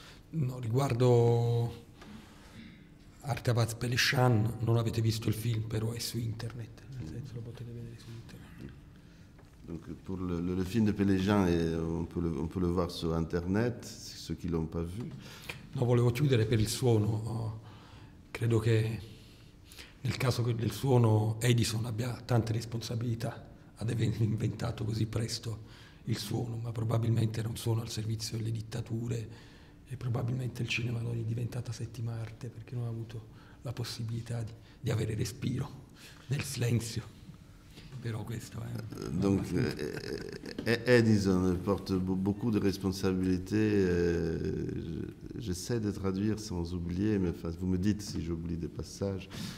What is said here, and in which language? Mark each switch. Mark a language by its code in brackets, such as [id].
[it] No, riguardo Artavaz Pélechan, non avete visto il film, però è su internet, nel senso lo potete vedere su internet. [fr] Donc pour le film de Pélechan, on peut le voir sur internet, ceux qui l'ont pas vu. [it] No, volevo chiudere per il suono. Credo che nel caso del suono Edison abbia tante responsabilità ad aver inventato così presto il suono, ma probabilmente era un suono al servizio delle dittature, e probabilmente il cinema non è diventata settima arte perché non ha avuto la possibilità di avere respiro nel silenzio. Però questo è. [fr] Donc Edison porte beaucoup de responsabilité. J'essaie de traduire sans oublier, mais enfin, vous me dites si j'oublie des passages.